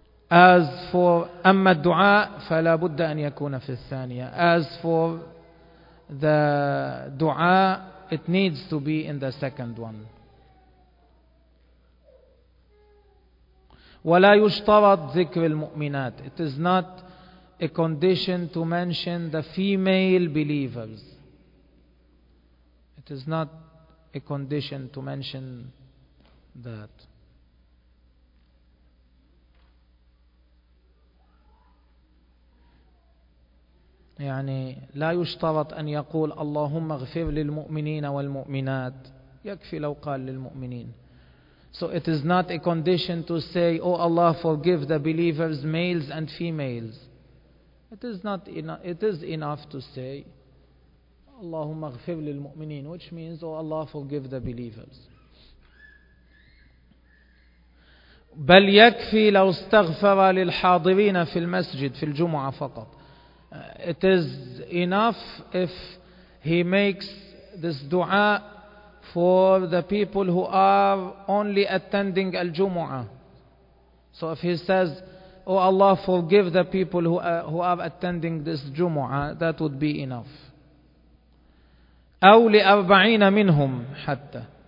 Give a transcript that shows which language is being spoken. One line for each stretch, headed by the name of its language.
English: As for
Arabic: أما الدعاء فلا بد أن يكون في الثانية.
English: As for the dua, it needs to be in the second one.
Arabic: ولا يشترط ذكر المؤمنات.
English: It is not a condition to mention the female believers. It is not a condition to mention that.
Arabic: يعني لا يشترط أن يقول اللهم اغفر للمؤمنين والمؤمنات, يكفي لو قال للمؤمنين.
English: So it is not a condition to say, oh Allah, forgive the believers, males and females. It is enough to say,
Arabic: اللهم اغفر للمؤمنين,
English: which means, oh Allah, forgive the believers.
Arabic: بل يكفي لو استغفر للحاضرين في المسجد في الجمعة فقط.
English: It is enough if he makes this dua for the people who are only attending al-Jumu'ah. So if he says, oh Allah, forgive the people who are attending this Jumu'ah, that would be enough.
Arabic: أو لأربعين منهم حتى.